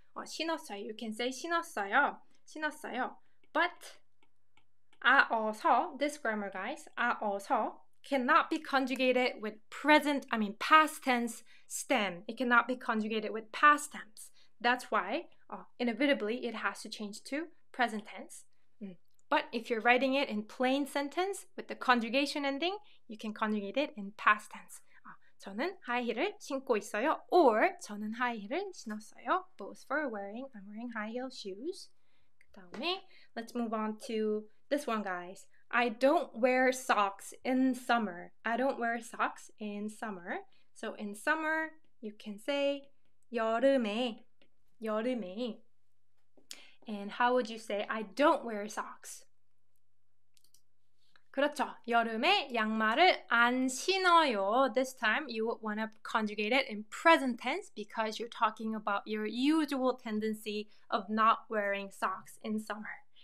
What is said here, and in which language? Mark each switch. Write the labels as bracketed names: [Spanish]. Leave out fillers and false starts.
[English] 신었어요. You can say 신었어요. 신었어요. But 아어서, this grammar guys, 아어서 cannot be conjugated with past tense stem. It cannot be conjugated with past tense. That's why inevitably it has to change to present tense. But if you're writing it in plain sentence with the conjugation ending, you can conjugate it in past tense. [Korean] 저는 하이힐을 신고 있어요. Or 저는 하이힐을 신었어요. [English] Both for wearing. I'm wearing high heel shoes. [Korean] 그다음에 [English] let's move on to this one, guys. I don't wear socks in summer. I don't wear socks in summer. So in summer, you can say 여름에. 여름에. And how would you say I don't wear socks? [Korean] 그렇죠. 여름에 양말을 안 신어요. [English] This time you would want to conjugate it in present tense because you're talking about your usual tendency of not wearing socks in summer.